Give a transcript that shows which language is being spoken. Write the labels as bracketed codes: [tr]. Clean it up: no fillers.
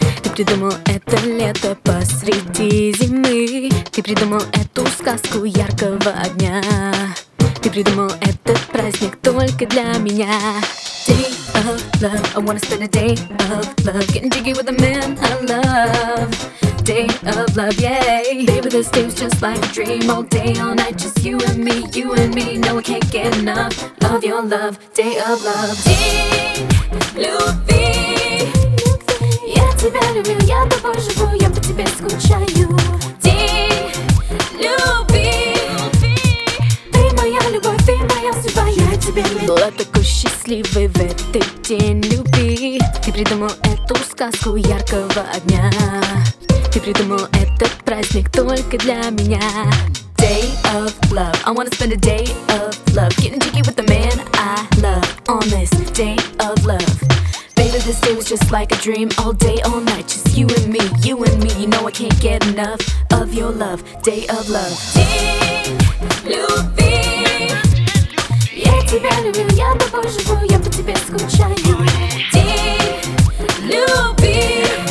[ru] Ты придумал это лето посреди зимы. Ты придумал эту сказку яркого дня. Ты придумал этот праздник только для меня. [en] Day of love, I wanna spend a day of love, getting jiggy with the man I love. Day of love, yay. Baby, this day was just like a dream. All day, all night, just you and me, you and me. No, I can't get enough of your love. Day of love. [ru] День любви. Я тебя люблю, я тобой живу, я по тебе скучаю. День любви. Ты моя любовь, ты моя судьба, я тебе люблю. Была такой счастливой в этот день любви. Ты придумал эту сказку яркого дня. Ты придумал этот праздник только для меня. [en] Day of love, I wanna spend a day of love, getting jiggy with the man I love. On this day of love, baby, this day was just like a dream. All day, all night, just you and me, you and me. You know I can't get enough of your love. Day of love. [ru] День любви. Я тебя люблю, я тобой живу, я по тебе скучаю. День любви.